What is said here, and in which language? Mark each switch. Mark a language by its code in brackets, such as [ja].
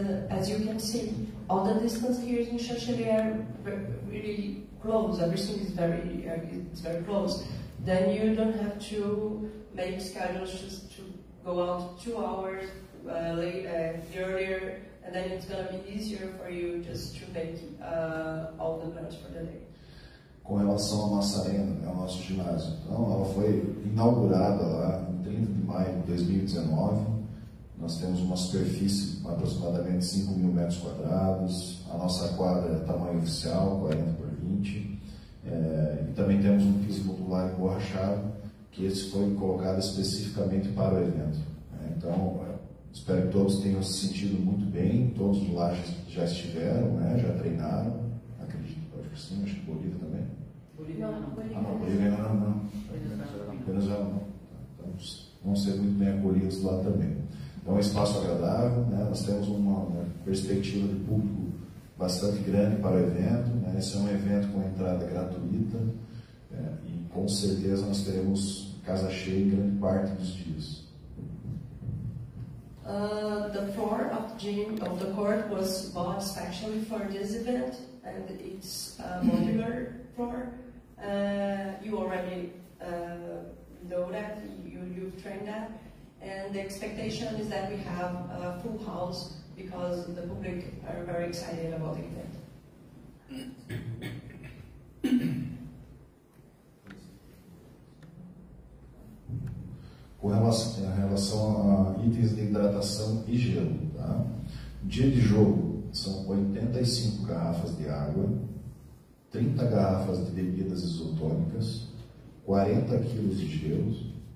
[en] As you can see, all the distance here in Chancheli are really close. Everything is very close. Then you don't have to make schedules just to go out 2 hours earlier, and then it's going to be easier for you just to make all the plans for the day. [pt] Com relação à Massa Arena, é o nosso ginásio. Então, ela foi inaugurada lá em 30 de maio de 2019. Nós temos uma superfície com aproximadamente 5 mil metros quadrados. A nossa quadra é tamanho oficial, 40 por 20. E também temos um piso modular emborrachado, que esse foi colocado especificamente para o evento. Então, espero que todos tenham se sentido muito bem. Todos lá já estiveram, né, já treinaram. Acredito, acho que sim, acho que Bolívia também. Bolívia não. Bolívia não. Venezuela não. Então, vão ser muito bem acolhidos lá também. É um espaço agradável, né? Nós temos uma perspectiva de público bastante grande para o evento. Né? Esse é um evento com entrada gratuita, né? E com certeza nós teremos casa cheia em grande parte dos dias. [en] The floor of the gym of the court was bought specially for this event, and it's a modular floor. You already know that you've trained that. And the expectation is that we have a full house because the public are very excited about the event. [pt] Com relação a itens de hidratação e gelo, tá? Dia de jogo são 85 garrafas de água, 30 garrafas de bebidas isotônicas, 40 quilos de gelo.